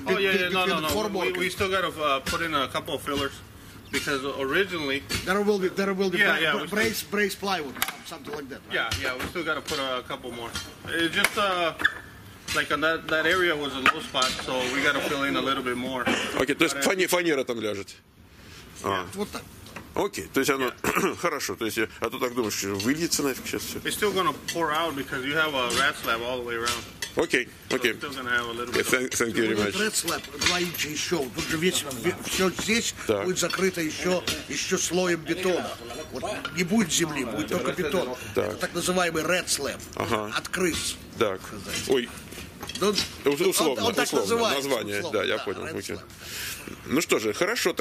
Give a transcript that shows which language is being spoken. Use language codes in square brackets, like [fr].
[en] No. We still got to put in a couple of fillers, because originally there will be brace plywood, something like that. Right? Yeah. We still got to put a couple more. It's just like on that area was a low spot, so we got to fill in a little bit more. Okay. [ru] То есть фанера там ляжет. Вот так. Окей, то есть оно хорошо, то есть а то так думаешь, выльется нафиг сейчас все. [en] It's still gonna pour out because you have a rat slab all the way around. Okay. So still gonna have a little bit. Thank you very much. [ru] Rat slab, двоичи еще, тут же все здесь будет закрыто еще слоем бетона. Вот не будет земли, будет только бетон. Так называемый rat slab. Ага. Открыть. Так. Ой. Условно, название, да, я понял. Ну что же, хорошо.